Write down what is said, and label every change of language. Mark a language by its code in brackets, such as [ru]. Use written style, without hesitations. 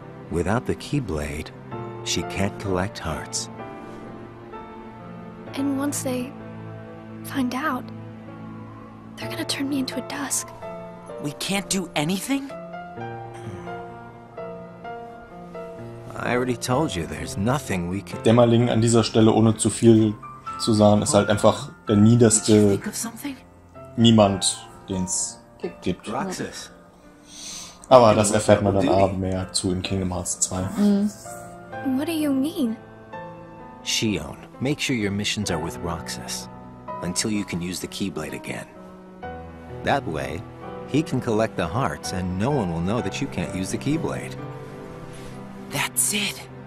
[en] Without the Keyblade, she can't collect hearts. And once they find out, they're gonna turn me into a dusk. We can't do anything? I already told you, there's nothing we can... [de] Dämmerling an dieser Stelle, ohne zu viel zu sagen, ist halt einfach der niederste Niemand, den es gibt. [en] Roxas. [de] Aber das erfährt man dann abend mehr zu in Kingdom Hearts 2. [en] What do you mean? Xion, make sure your missions are with Roxas. Until you can use the Keyblade again. That way, he can collect the hearts and no one will know that you can't use the Keyblade. That's it.